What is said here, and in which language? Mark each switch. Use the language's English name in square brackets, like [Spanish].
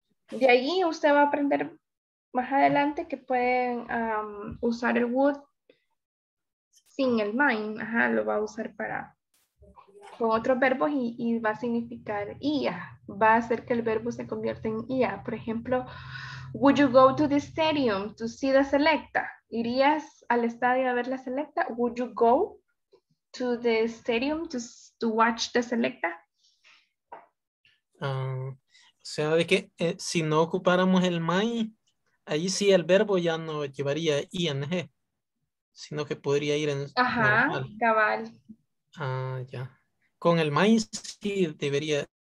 [Spanish] De ahí usted va a aprender más adelante que pueden usar el would sin el mind, ajá, lo va a usar para con otros verbos y va a significar ia, va a hacer que el verbo se convierta en ia. Por ejemplo, [English] would you go to the stadium to see the selecta? [Spanish] ¿Irías al estadio a ver la selecta? [English] Would you go to the stadium to watch the selecta? [Spanish] O sea, de que si no ocupáramos el mind, ahí sí el verbo ya no llevaría ing. Sino que podría ir en... Ajá, normal. Cabal. Ah, ya. Con el mind sí debería...